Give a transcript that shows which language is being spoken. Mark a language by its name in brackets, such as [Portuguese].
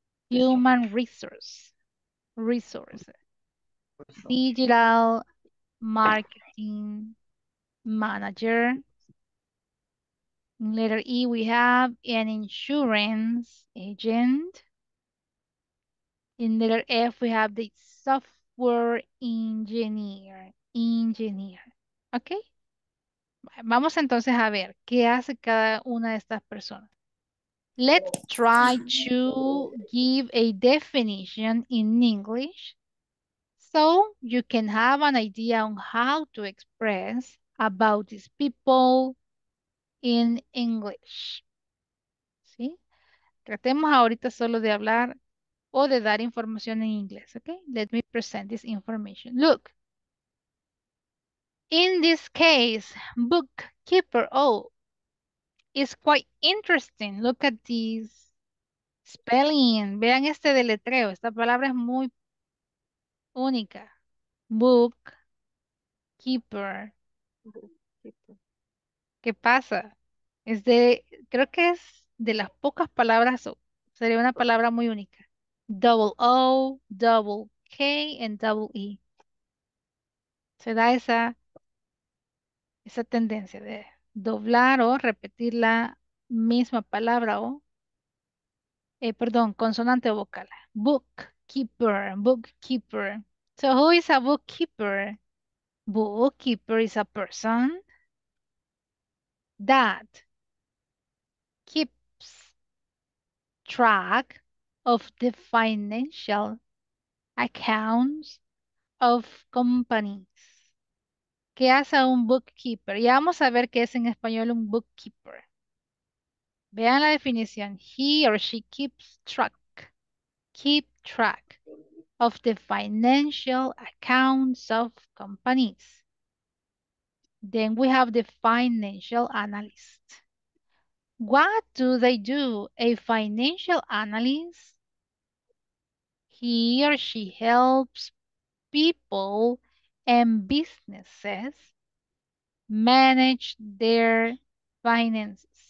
[English] Human resource, digital marketing manager. Letter E, we have an insurance agent. In letter F, we have the software engineer. Okay. [Spanish] Vamos entonces a ver qué hace cada una de estas personas. [English] Let's try to give a definition in English so you can have an idea on how to express about these people in English. [Spanish] ¿Sí? Tratemos ahorita solo de hablar o de dar información en inglés, okay? [English] Let me present this information. Look. In this case, bookkeeper, oh, it's quite interesting. Look at this spelling. [Spanish] Vean este deletreo. Esta palabra es muy única. Book keeper. ¿Qué pasa? Es de, creo que es de las pocas palabras. Sería una palabra muy única. [English] Double O, double K, and double E. [Spanish] Se da esa tendencia de doblar o repetir la misma palabra o, perdón, consonante o vocal. [English] Bookkeeper, bookkeeper. So, who is a bookkeeper? Bookkeeper is a person that keeps track of the financial accounts of companies. [Spanish] ¿Qué hace un bookkeeper? Ya vamos a ver qué es en español un bookkeeper. Vean la definición. [English] He or she keeps track. Keep track of the financial accounts of companies. Then we have the financial analyst. What do they do? A financial analyst, he or she helps people and businesses manage their finances.